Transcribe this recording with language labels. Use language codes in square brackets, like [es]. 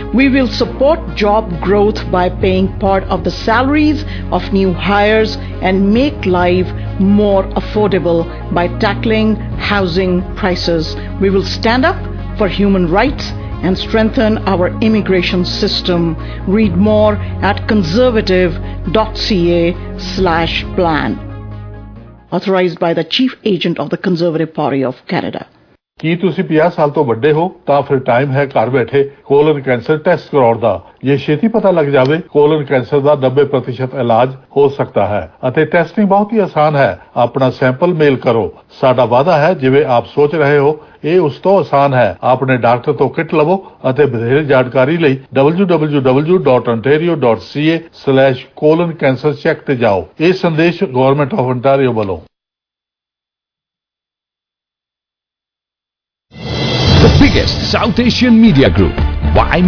[en] We will support job growth by paying part of the salaries of new hires and make life more affordable by tackling housing prices. We will stand up for human rights, and strengthen our immigration system. Read more at conservative.ca/plan. Authorized by the Chief Agent of the Conservative Party of Canada. [pa] ਕੀ ਤੁਸੀਂ 50 ਸਾਲ ਤੋਂ ਵੱਡੇ ਹੋ ਤਾਂ ਫਿਰ time ਹੈ ਘਰ ਬੈਠੇ ਕੋਲਨ ਕੈਂਸਰ ਟੈਸਟ ਕਰਾਉਣ ਦਾ ਜੇ ਛੇਤੀ ਪਤਾ ਲੱਗ ਜਾਵੇ ਕੋਲਨ ਕੈਂਸਰ ਦਾ 90% ਇਲਾਜ ਹੋ ਸਕਦਾ ਹੈ ਅਤੇ ਟੈਸਟਿੰਗ ਬਹੁਤ ਹੀ ਆਸਾਨ ਹੈ ਆਪਣਾ ਸੈਂਪਲ ਮੇਲ ਕਰੋ ਸਾਡਾ ਵਾਅਦਾ ਹੈ ਜਿਵੇਂ ਆਪ ਸੋਚ ਰਹੇ ਹੋ ਇਹ ਉਸ ਤੋਂ ਆਸਾਨ ਹੈ ਆਪਣੇ ਡਾਕਟਰ ਤੋਂ ਕਿੱਟ ਲਵੋ ਅਤੇ ਵਧੇਰੇ ਜਾਣਕਾਰੀ ਲਈ www.ontario.ca/colon-cancer ਚੈੱਕ ਤੇ ਜਾਓ ਇਹ ਸੰਦੇਸ਼ ਗੌਰਮੈਂਟ ਆਫ ਓਨਟਾਰੀਓ ਵੱਲੋਂ [en] Biggest South Asian media group. Why me?